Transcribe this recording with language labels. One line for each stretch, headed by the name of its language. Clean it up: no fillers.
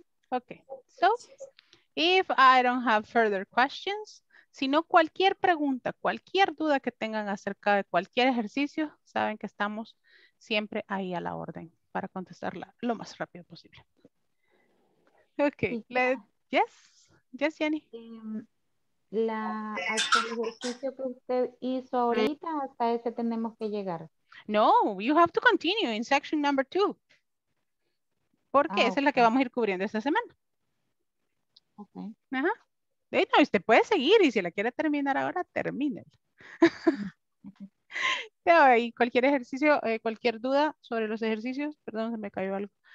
Spanish: Ok.
English: So, if I don't have further questions,
Spanish: sino cualquier pregunta, cualquier duda que tengan acerca de cualquier ejercicio, saben que estamos siempre ahí a la orden para contestarla lo más rápido posible. Ok.
English: Yes, Jenny.
Spanish: Hasta el ejercicio que usted hizo ahorita, hasta ese tenemos que llegar.
English: No, you have to continue in section number 2.
Spanish: Porque esa es la que vamos a ir cubriendo esta semana. Ok. Ajá. No, usted puede seguir y si la quiere terminar ahora, termínela. Y cualquier ejercicio, cualquier duda sobre los ejercicios, perdón, se me cayó algo.